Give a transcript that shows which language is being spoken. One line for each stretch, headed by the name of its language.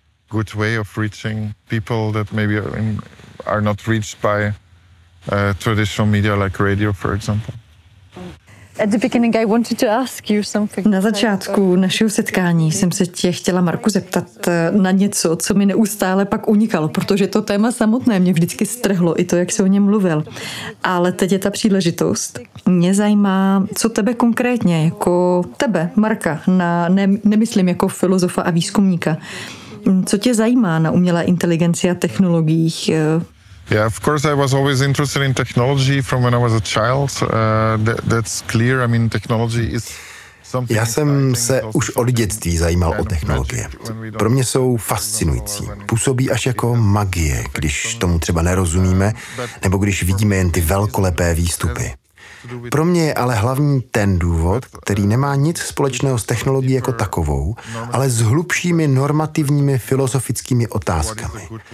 English: Good way of reaching people that maybe are not reached by traditional media like radio, for example. At the beginning I wanted to ask you something.
Czech: Na začátku našeho setkání jsem se tě chtěla, Marku, zeptat na něco, co mi neustále pak unikalo, protože to téma samotné mě vždycky strhlo, i to, jak se o něm mluvil. Ale teď je ta příležitost. Mě zajímá, co tebe konkrétně, jako tebe, Marka, nemyslím jako filozofa a výzkumníka, co tě zajímá na umělé inteligenci a technologiích?
English: Yeah, of course I was always interested in technology from when I was a child. That's clear. I mean, technology is
Czech: Já jsem se už od dětství zajímal o technologie. Pro mě jsou fascinující. Působí až jako magie, když tomu třeba nerozumíme, nebo když vidíme jen ty velkolepé výstupy. Pro mě je ale hlavní ten důvod, který nemá nic společného s technologií jako takovou, ale s hlubšími normativními filozofickými otázkami.